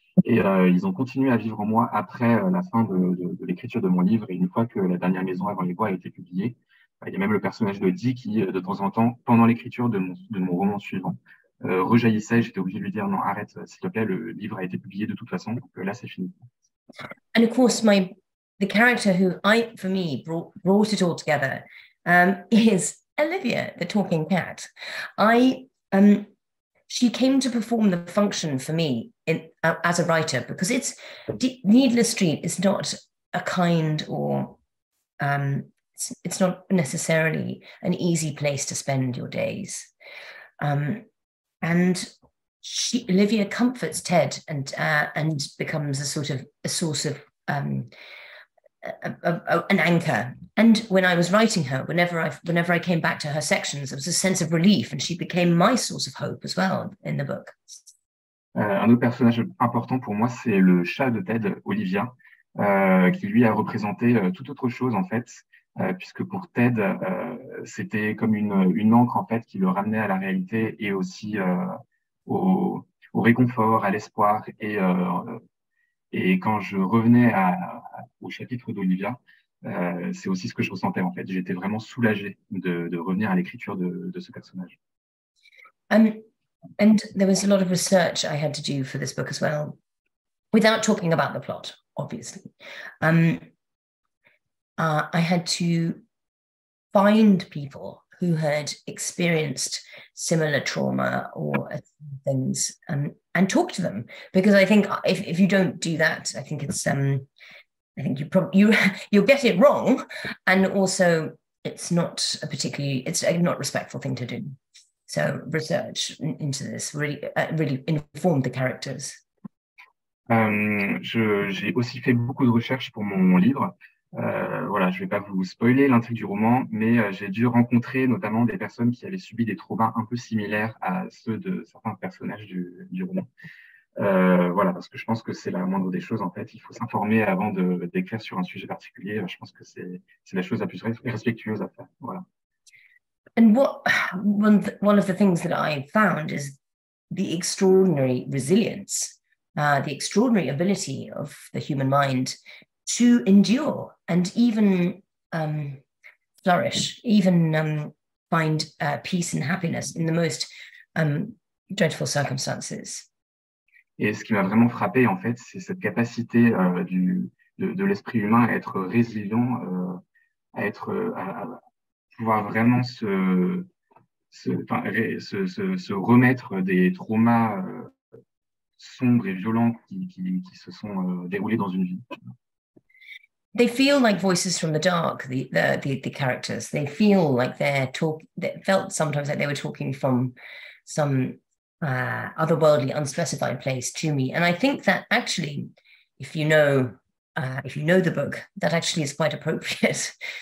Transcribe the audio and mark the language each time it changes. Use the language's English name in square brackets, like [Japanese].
[French] Et ils ont continué à vivre en moi après la fin de l'écriture de mon livre. Et une fois que La dernière maison avant les bois a été publiée, il y a même le personnage de Dee qui, de temps en temps, pendant l'écriture de mon roman suivant, rejaillissait. J'étais obligée de lui dire non, arrête, s'il te plaît, le livre a été publié de toute façon, donc là c'est fini. [English] And of course, the character who I, for me, brought it all together is Olivia, the talking cat. She came to perform the function for me as a writer, because it's Needless Street is not a kind or it's not necessarily an easy place to spend your days. Olivia comforts Ted and becomes a sort of a source of an anchor. And when I was writing her, whenever I came back to her sections, it was a sense of relief, and she became my source of hope as well in the book. [French] Un autre personnage important pour moi, c'est le chat de Ted, Olivia, qui lui a représenté toute autre chose, en fait, puisque pour Ted, c'était comme une encre, en fait, qui le ramenait à la réalité et aussi au réconfort, à l'espoir. Et Et quand je revenais au chapitre d'Olivia, c'est aussi ce que je ressentais, en fait. J'étais vraiment soulagée de revenir à l'écriture de ce personnage. [English] And there was a lot of research I had to do for this book as well, without talking about the plot, obviously. I had to find people who had experienced similar trauma or things, and talk to them, because I think if you don't do that, I think it's I think you'll get it wrong, and also it's a not respectful thing to do. So research into this really informed the characters. [French] J'ai aussi fait beaucoup de recherches pour mon livre. Voilà, je ne vais pas vous spoiler l'intrigue du roman, mais j'ai dû rencontrer notamment des personnes qui avaient subi des traumas un peu similaires à ceux de certains personnages du roman. Voilà, parce que je pense que c'est la moindre des choses, en fait. Il faut s'informer avant d'écrire sur un sujet particulier. Je pense que c'est la chose la plus respectueuse à faire. Voilà. [English] And what one of the things that I found is the extraordinary resilience, the extraordinary ability of the human mind to endure and even flourish, even find peace and happiness in the most dreadful circumstances. [French] Et ce qui m'a vraiment frappé, en fait, c'est cette capacité de l'esprit humain à être résilient, à pouvoir vraiment se remettre des traumas sombres et violents qui se sont déroulés dans une vie. [English] They feel like voices from the dark, the characters. They feel like they felt sometimes like they were talking from some otherworldly, unspecified place to me. And I think that actually, if you know the book, that actually is quite appropriate.